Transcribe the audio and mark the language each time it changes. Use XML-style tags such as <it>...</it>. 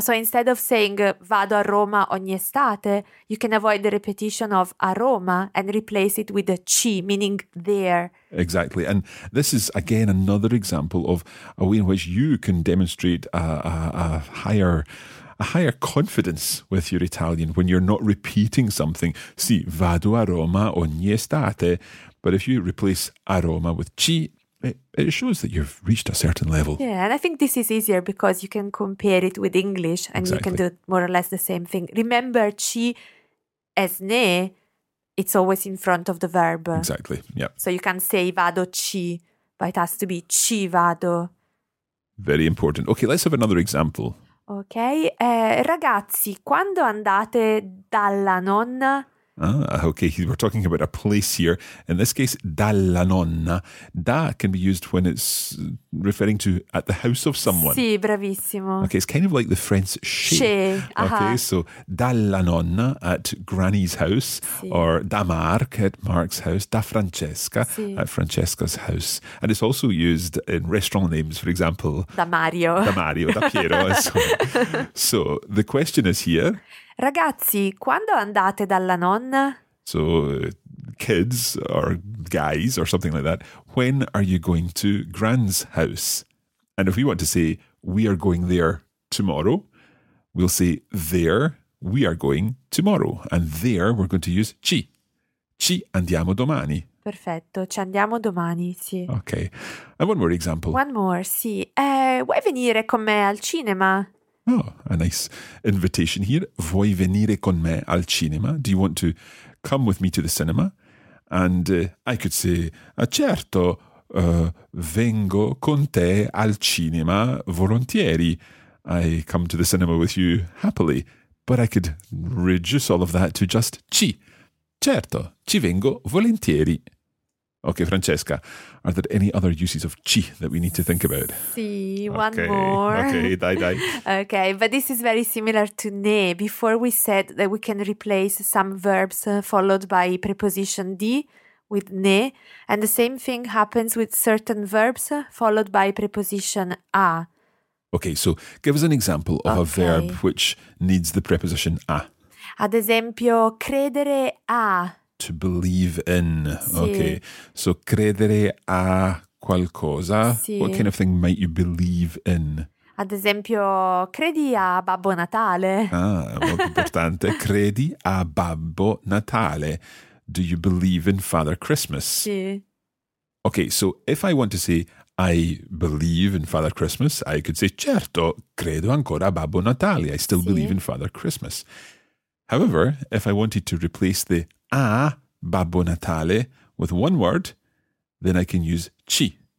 <en>So instead of saying</en> <it>vado a Roma ogni estate,</it> <en>you can avoid the repetition of a Roma and replace it with a ci, meaning there. Exactly. And this is, again, another example of a way in which you can demonstrate a higher confidence with your Italian when you're not repeating something.</en> <it>Sì, vado a Roma ogni estate.</it> <en>But if you replace a Roma with ci, it shows that you've reached a certain level. Yeah, and I think this is easier because you can compare it with English and exactly. You can do more or less the same thing. Remember, ci as ne, it's always in front of the verb. Exactly, yeah. So you can say</en> <it>vado ci,</it> <en>but it has to be</en> <it>ci vado.</it> <en>Very important. Okay, let's have another example.</en> <it>Okay, ragazzi, quando andate dalla nonna...</it> <en>Ah, okay, we're talking about a place here. In this case,</en> <it>dalla nonna.</it> <en>Da can be used when it's referring to at the house of someone.</en> <it>Sì, bravissimo.</it> <en>Okay, it's kind of like the French</en> <fr>che.</fr> <en>Okay, so</en> <it>dalla nonna</it> <en>at granny's house,</en> <it>sì.</it> <en>Or</en> <it>da Mark</it> <en>at Mark's house,</en> <it>da Francesca sì.</it> <en>At Francesca's house. And it's also used in restaurant names, for example.</en> <it>Da Mario, da Piero.</it> <en>So the question is here.</en> <it>Ragazzi, quando andate dalla nonna?</it> <en>So, kids or guys or something like that, when are you going to Gran's house? And if we want to say, we are going there tomorrow, we'll say, there, we are going tomorrow. And there, we're going to use ci.</en> <it>Ci andiamo domani. Perfetto, ci andiamo domani, sì.</it> <en>Ok. And one more example. One more, sì.</en> <it>Vuoi venire con me al cinema?</it> <en>Oh, a nice invitation here.</en> <it>Vuoi venire con me al cinema?</it> <en>Do you want to come with me to the cinema? And I could say,</en> <it>certo, vengo con te al cinema volentieri.</it> <en>I come to the cinema with you happily. But I could reduce all of that to just ci.</en> <it>Certo, ci vengo volentieri.</it> <en>Okay, Francesca, are there any other uses of ci that we need to think about? Sì, one okay. More.</en> <it>Okay, dai, dai.</it> <en>Okay, but this is very similar to ne. Before we said that we can replace some verbs followed by preposition di with ne, and the same thing happens with certain verbs followed by preposition a. Okay, so give us an example of okay. A verb which needs the preposition a.</en> <it>Ad esempio, credere a...</it> <en>To believe in.</en> <it>Sì. Okay. So credere a qualcosa. Sì.</it> <en>What kind of thing might you believe in?</en> <it>Ad esempio, credi a Babbo Natale. Ah, molto importante. Credi a Babbo Natale.</it> <en>Do you believe in Father Christmas?</en> <it>Sì.</it> <en>Okay, so if I want to say, I believe in Father Christmas, I could say,</en> <it>certo, credo ancora a Babbo Natale.</it> <en>I still believe in Father Christmas. However, if I wanted to replace the</en> <it>a Babbo Natale</it> <en>with one word, then I can use ci.</en>